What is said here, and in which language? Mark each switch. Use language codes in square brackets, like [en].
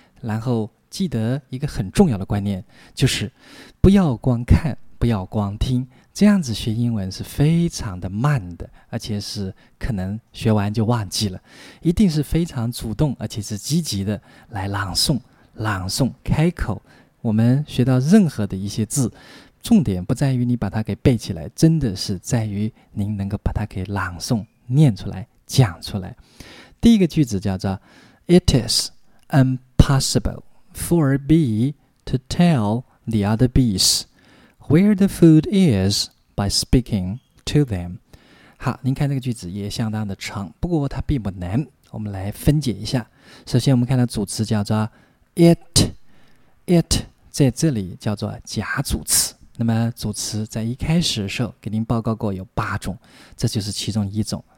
[zh] 然后记得一个很重要的观念，就是不要光看，不要光听，这样子学英文是非常的慢的，而且是可能学完就忘记了。一定是非常主动而且是积极的来朗诵，朗诵开口。我们学到任何的一些字，重点不在于你把它给背起来，真的是在于您能够把它给朗诵念出来讲出来。第一个句子叫做 [en] It is impossible for a bee to tell the other bees where the food is by speaking to them。 [zh] 好，您看这个句子也相当的长，不过它并不难，我们来分解一下。首先我们看到主词叫做 it 在这里叫做假主词。那么主词在一开始的时候给您报告过有八种，这就是其中一种。